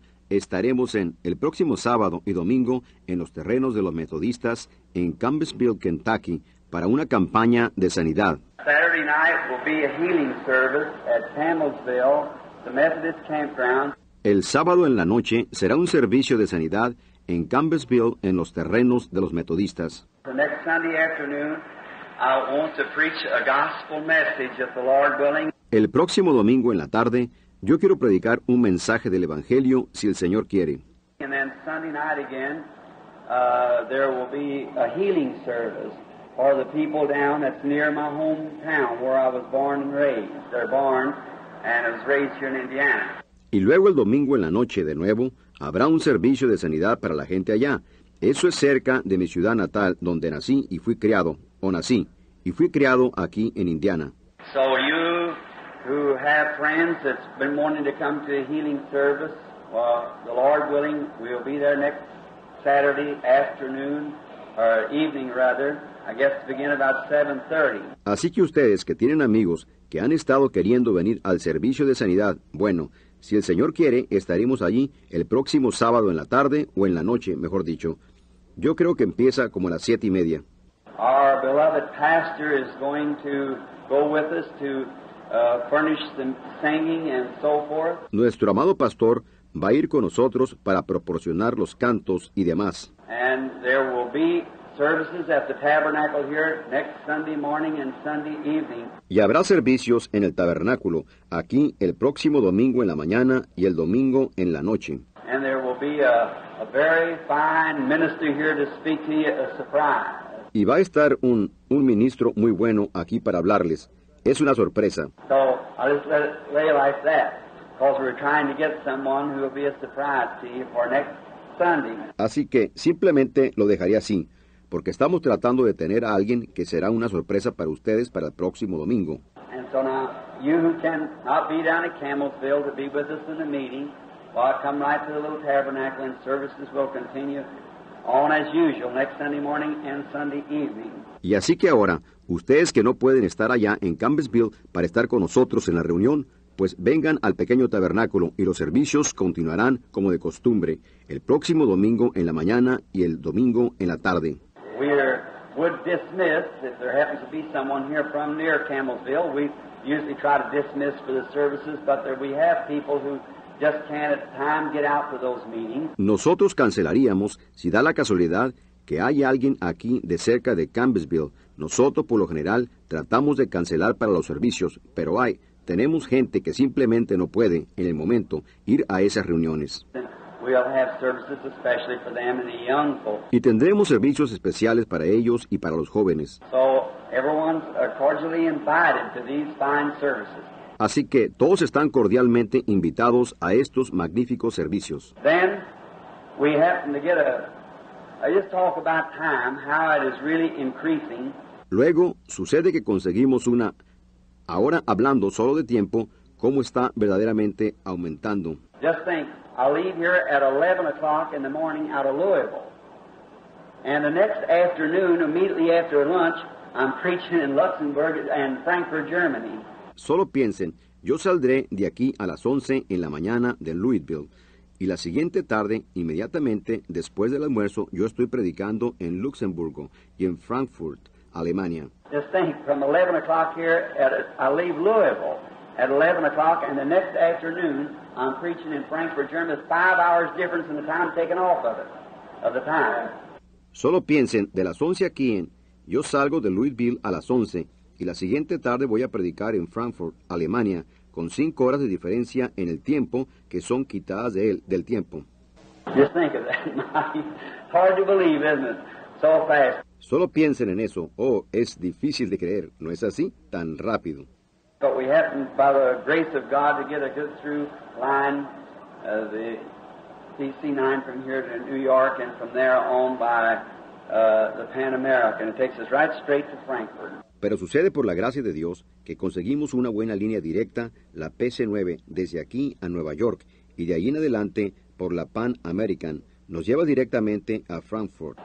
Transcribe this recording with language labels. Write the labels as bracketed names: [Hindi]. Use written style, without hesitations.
[Spanish] El próximo sábado y domingo en los terrenos de los metodistas en Campbellsville, Kentucky, para una campaña de sanidad. [English] Saturday night will be a healing service at Camelsville, the Methodist campground. [Spanish] El sábado en la noche será un servicio de sanidad en Campbellsville, en los terrenos de los metodistas. [English] The next Sunday afternoon, I want to preach a gospel message of the Lord willing. [Spanish] El próximo domingo en la tarde, yo quiero predicar un mensaje del Evangelio, si el Señor quiere. [English] And then Sunday night again, there will be a healing service for the people down that's near my hometown, where I was born and raised. They're born and I was raised here in Indiana. [Spanish] Y luego el domingo en la noche, de nuevo, habrá un servicio de sanidad para la gente allá. Eso es cerca de mi ciudad natal, donde nací y fui criado, o nací, y fui criado aquí en Indiana. [English] So you who have friends that's been wanting to come to a healing service, well, the Lord willing, we'll be there next Saturday afternoon, or evening rather, I guess to begin about 7:30. [Spanish] Así que ustedes que tienen amigos que han estado queriendo venir al servicio de sanidad, bueno, si el Señor quiere, estaremos allí el próximo sábado en la tarde o en la noche, mejor dicho. Yo creo que empieza como a las 7:30. [English] Our beloved pastor is going to go with us to furnish the singing and so forth. [Spanish] Nuestro amado pastor va a ir con nosotros para proporcionar los cantos y demás. [English] And there will be services at the tabernacle here next Sunday morning and Sunday evening. [Spanish] Y habrá servicios en el tabernáculo aquí el próximo domingo en la mañana y el domingo en la noche. [English] And there will be a very fine minister here to speak to you, a surprise. [Spanish] Y va a estar un ministro muy bueno aquí para hablarles. Es una sorpresa. [English] So I'll just let it lay like that, because we're trying to get someone who will be a surprise to you for next Sunday. [Spanish] Así que simplemente lo dejaría así, porque estamos tratando de tener a alguien que será una sorpresa para ustedes para el próximo domingo. [English] And so now, you who cannot be down at Camelsville to be with us in the meeting, well, I'll come right to the little tabernacle and services will continue on as usual, next Sunday morning and Sunday evening. [Spanish] Y así que ahora, ustedes que no pueden estar allá en Campbellsville para estar con nosotros en la reunión, pues vengan al pequeño tabernáculo y los servicios continuarán como de costumbre, el próximo domingo en la mañana y el domingo en la tarde. [English] Would dismiss if there happens to be someone here from near Camelsville. We usually try to dismiss for the services, but there we have people who just can't at times get out for those meetings. [Spanish] Nosotros cancelaríamos si da la casualidad que hay alguien aquí de cerca de Campbellsville. Nosotros por lo general tratamos de cancelar para los servicios, pero tenemos gente que simplemente no puede en el momento ir a esas reuniones. [English] We'll have services especially for them and the young folks. [Spanish] Y tendremos servicios especiales para ellos y para los jóvenes. [English] So everyone's cordially invited to these fine services. [Spanish] Así que todos están cordialmente invitados a estos magníficos servicios. [English] Then we happen to get a I just talk about time, how it is really increasing. [Spanish] Luego sucede que conseguimos una. Ahora hablando solo de tiempo, cómo está verdaderamente aumentando. [English] Just think, I leave here at 11 o'clock in the morning out of Louisville, and the next afternoon, immediately after lunch, I'm preaching in Luxembourg and Frankfurt, Germany. [Spanish] Solo piensen, yo saldré de aquí a las 11 en la mañana de Louisville, y la siguiente tarde, inmediatamente después del almuerzo, yo estoy predicando en Luxemburgo y en Frankfurt, Alemania. [English] Just think, from 11 o'clock here, I leave Louisville at 11 o'clock, and the next afternoon, I'm preaching in Frankfurt, Germany. It's 5 hours difference in the time taken off of it, of the time. [Spanish] Solo piensen, de las 11 aquí en, yo salgo de Louisville a las 11, y la siguiente tarde voy a predicar en Frankfurt, Alemania, con 5 horas de diferencia en el tiempo que son quitadas de él, del tiempo. [English] Just think of that. Hard to believe, isn't it? So fast. [Spanish] Solo piensen en eso. Oh, es difícil de creer. ¿No es así? Tan rápido. [English] But we happen, by the grace of God, to get a good through line of the DC-9 from here to New York, and from there on by the Pan-American. It takes us right straight to Frankfurt. [Spanish] Pero sucede por la gracia de Dios que conseguimos una buena línea directa, la PC-9, desde aquí a Nueva York, y de ahí en adelante, por la Pan-American, nos lleva directamente a Frankfurt.